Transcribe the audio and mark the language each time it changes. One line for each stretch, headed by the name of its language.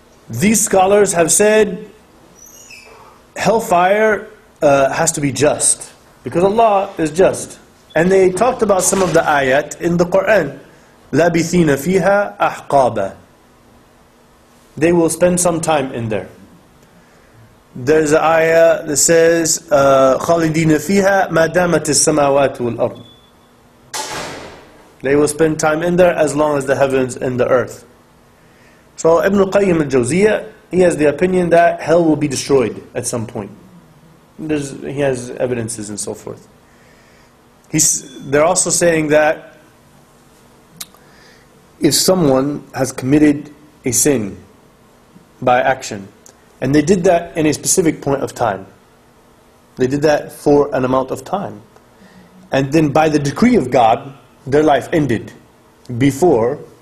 English: These scholars have said, hellfire has to be just, because Allah is just. And they talked about some of the ayat in the Qur'an.
Arabic: لَبِثِينَ فِيهَا أَحْقَابًا.
English: They will spend some time in there. There's an ayah that says,
Arabic: خَالِدِينَ فِيهَا مَا دَامَتِ السَّمَاوَاتُ وَالْأَرْضِ.
English: They will spend time in there as long as the heavens and the earth. So Ibn Qayyim al-Jawziyyah, he has the opinion that hell will be destroyed at some point. He has evidences and so forth. They're also saying that if someone has committed a sin by action, and they did that in a specific point of time, they did that for an amount of time, and then by the decree of God, their life ended before,